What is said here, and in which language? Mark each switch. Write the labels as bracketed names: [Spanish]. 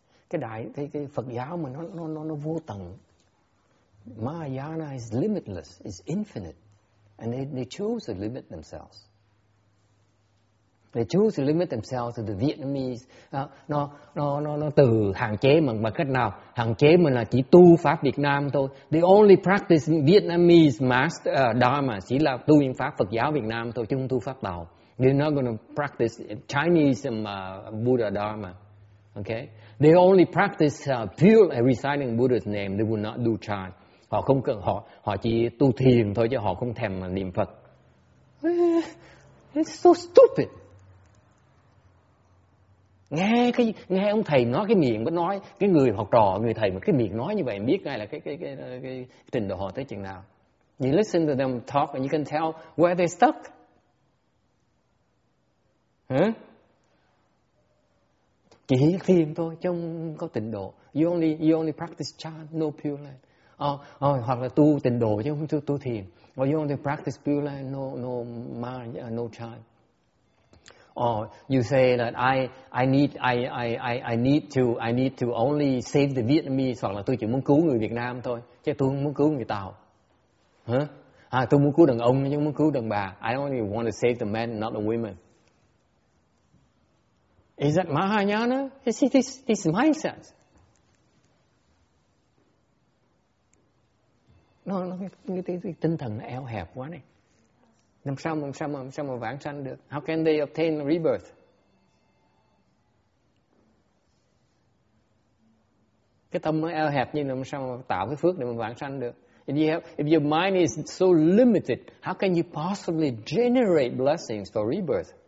[Vietnamese] Cái Phật giáo mà nó vô tận. [English] Mahayana is limitless, is infinite, and they choose to limit themselves. They choose to limit themselves to the Vietnamese. [Vietnamese] Nó từ hạn chế mà cách nào? Hạn chế mình là chỉ tu pháp Việt Nam thôi. [English] They only practice Vietnamese master dharma, [Vietnamese] chỉ là tu những pháp Phật giáo Việt Nam thôi, chứ không tu pháp Tàu. [English] They're not going to practice Chinese Buddha dharma. Okay? They only practice pure reciting Buddha's name. They will not do chan. [Vietnamese] Họ không cần, họ chỉ tu thiền thôi chứ họ không thèm niệm Phật. [English] It's so stupid. [Vietnamese] Nghe ông thầy nói cái miệng mới nói, cái người học trò, người thầy mà cái miệng nói như vậy biết ngay là cái trình độ họ tới chừng nào. [English] You listen to them talk and you can tell where they're stuck. [Vietnamese] Chỉ thiền thôi chứ không có trình độ. [English] You only practice chan, no pure land. [Vietnamese] Hoặc là tu tịnh độ chứ không tu thiền. [English] Or you only practice pure land, no chan. Or you say that I need to only save the Vietnamese, [Vietnamese] hoặc là tôi chỉ muốn cứu người Việt Nam thôi, chứ tôi không muốn cứu người Tàu. Hả? Tôi muốn cứu đàn ông chứ không muốn cứu đàn bà. [English] I only want to save the men, not the women. Is that Mahayana? You see this mindset? [Vietnamese] Nó cái tinh thần nó eo hẹp quá này. Làm sao mà vãng sanh được? [English] How can they obtain rebirth? [Vietnamese] Cái tâm nó eo hẹp như làm sao mà tạo cái phước để mà vãng sanh được? [English] If your mind is so limited, how can you possibly generate blessings for rebirth?